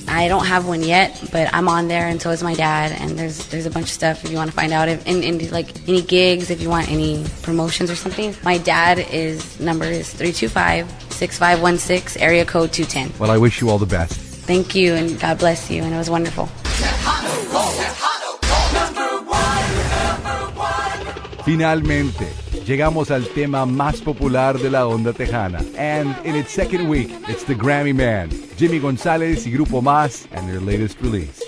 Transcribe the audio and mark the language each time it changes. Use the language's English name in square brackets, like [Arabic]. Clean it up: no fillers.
[English] I don't have one yet, but I'm on there, and so is my dad. And there's a bunch of stuff if you want to find out. And like any gigs, if you want any promotions or something. My dad is, number is 325-6516, area code 210. Well, I wish you all the best. Thank you, and God bless you, and it was wonderful. [Spanish] Finalmente, llegamos al tema más popular de la onda tejana. [English] And in its second week, it's the Grammy man, Jimmy González y Grupo Más, and their latest release.